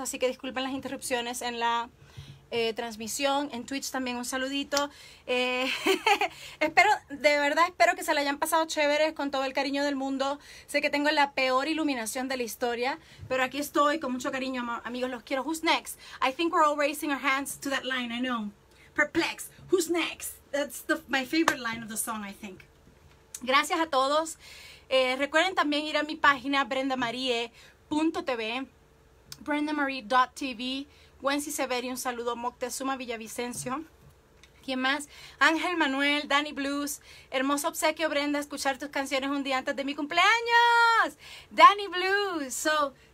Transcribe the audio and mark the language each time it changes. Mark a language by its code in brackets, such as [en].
[es] Así que disculpen las interrupciones en la transmisión. En Twitch también un saludito. espero que se la hayan pasado chévere con todo el cariño del mundo. Sé que tengo la peor iluminación de la historia, pero aquí estoy con mucho cariño, amigos. Los quiero. [en] Who's next? I think we're all raising our hands to that line, I know. Perplex. Who's next? That's my favorite line of the song, I think. [es] Gracias a todos. Recuerden también ir a mi página brendamarie.tv, brendamarie.tv. Wensi Severi, un saludo. Moctezuma Villavicencio. ¿Quién más? Ángel Manuel, Danny Blues. Hermoso obsequio, Brenda, escuchar tus canciones un día antes de mi cumpleaños. Danny Blues. So,